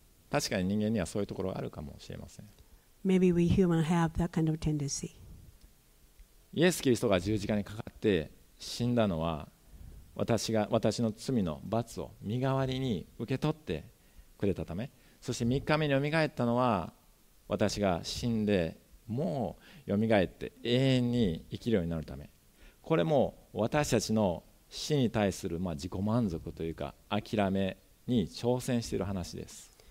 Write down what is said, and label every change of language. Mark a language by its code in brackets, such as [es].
[ja] 確かに人間にはそういうところがあるかもしれません。 [en] Maybe we humans have that kind of tendency. [ja] イエス・キリストが十字架にかかって死んだのは、私の罪の罰を身代わりに受け取ってくれたため、そして3日目によみがえったのは、私が死んでもうよみがえって永遠に生きるようになるため、これも私たちの死に対する、まあ、自己満足というか諦めに挑戦している話です。